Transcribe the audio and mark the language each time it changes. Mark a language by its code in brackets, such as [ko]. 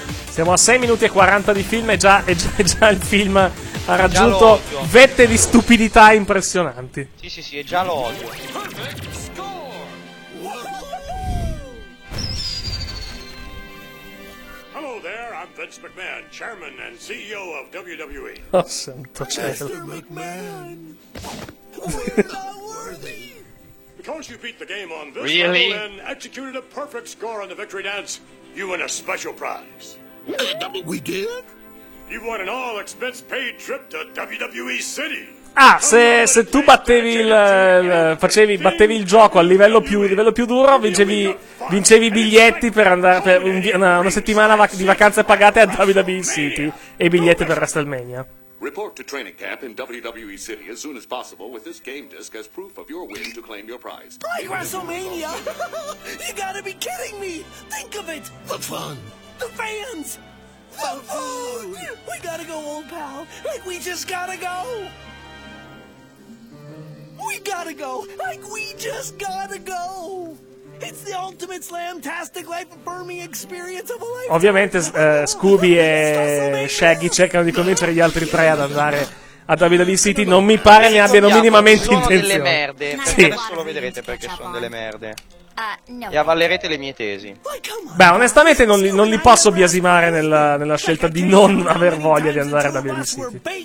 [it] Siamo a 6 minuti e 40 di film e già il film... Ha raggiunto vette di stupidità impressionanti. Sì, sì, sì, è già l'odio. [en] Hello there, I'm Vince McMahon, chairman and CEO of WWE. [it] Oh, santo cielo. [en] Mr. McMahon, we're not worthy. Because you beat the game on this level and executed a perfect score on the victory dance, you win a special prize. We did? You won an all expense paid trip to WWE City. [it] Ah, se tu battevi battevi il gioco al livello più duro, vincevi biglietti per andare per una settimana di vacanze pagate a WWE City e biglietti per WrestleMania. [en] Report to training camp in WWE City as soon as possible with this game disc as proof of your win to claim your prize. Play WrestleMania. You gotta be kidding me. Think of it. The fun. The fans. Oh, we gotta go, old pal. Like, we just gotta go. We gotta go. Like, we just gotta go. It's the ultimate slam-tastic life-affirming experience of a lifetime. [it] Ovviamente Scooby e Shaggy cercano di convincere gli altri tre ad andare a WWE City. Non mi pare ne abbiano minimamente intenzione. Sono delle merde. Sì. Adesso lo vedrete perché sono delle merde. No. E avvalerete le mie tesi. Beh, onestamente non li posso biasimare nella scelta di non aver voglia di andare da WWE City.